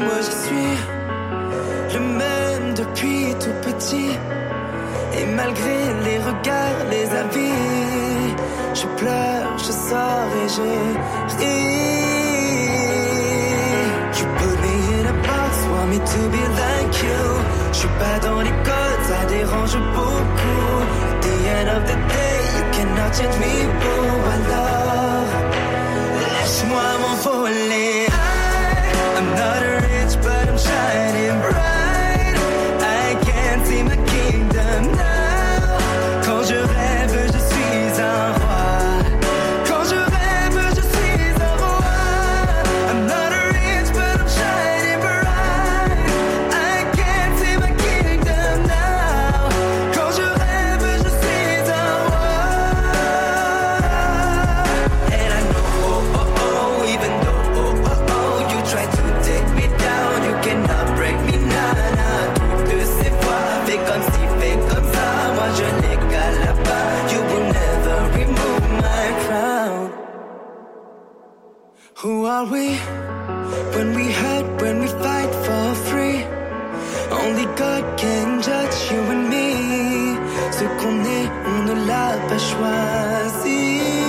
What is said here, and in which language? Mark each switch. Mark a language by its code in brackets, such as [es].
[fr] Moi je suis le même depuis tout petit, et malgré les regards, les avis, je pleure, je sors et je ris. [en] You put me in a box, want me to be like you. [fr] Je suis pas dans les codes, ça dérange beaucoup. [en] At the end of the day, you cannot change me, boo. [fr] Alors, lâche-moi m'envoler. [en] I'm not a rich, but I'm shining bright. I can't see my kingdom now. [fr] Quand je rêve, je suis un roi. Quand je rêve, je suis un roi. [en] I'm not a rich, but I'm shining bright. I can't see my kingdom now. [fr] Quand je rêve, je suis un roi. [en] And I know, oh, oh, oh, even though, oh, oh, oh, you try to take me down, you cannot break me, nah, nah. [fr] Toutes ces fois, fais comme si, fais comme ça. Moi, je n'ai qu'à la part. [en] You will never remove my crown. Who are we? When we hurt, when we fight for free, only God can judge you and me. [fr] Ce qu'on est, on ne l'a pas choisi.